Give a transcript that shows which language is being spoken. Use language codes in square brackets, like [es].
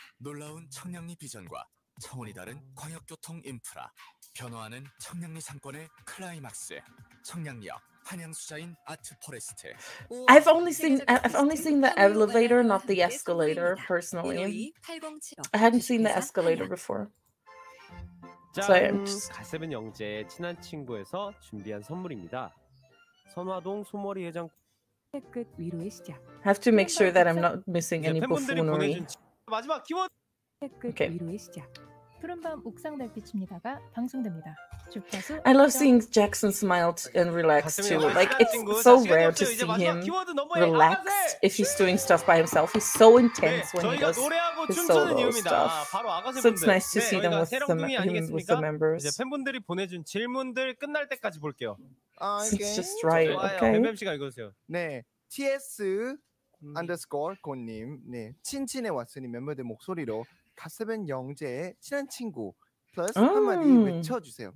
[ko] 놀라운 청량리 비전과 차원이 다른 광역 교통 인프라. 변화하는 청량리 상권의 클라이막스. 청량역 한양수자인 아트포레스트 [en] I've only seen the elevator not the escalator personally I hadn't seen the escalator before [ko] 짠 가세븐 영재의 친한 친구에서 준비한 선물입니다 선화동 소머리 해장 the good 위로의 시작. [en] Have to make sure that I'm not missing any buffoonery. [ko] 마지막 키워드. The good 위로의 시작. 푸른 밤 옥상 달빛입니다가 방송됩니다. [en] I love seeing Jackson smile and relax too. Like it's so rare to see him relaxed if he's doing stuff by himself. He's so intense when he does his solo stuff. So it's nice to see them with the, him with the members. [ko] 이제 팬분들이 보내준 질문들 끝날 때까지 볼게요. [en] It's just right. Okay. [ko] MMC가 읽으세요. 네, TS underscore 고님, 네, 친친의 왓슨이 멤버들 목소리로 가세븐 영재의 친한 친구. 한마디 외쳐주세요.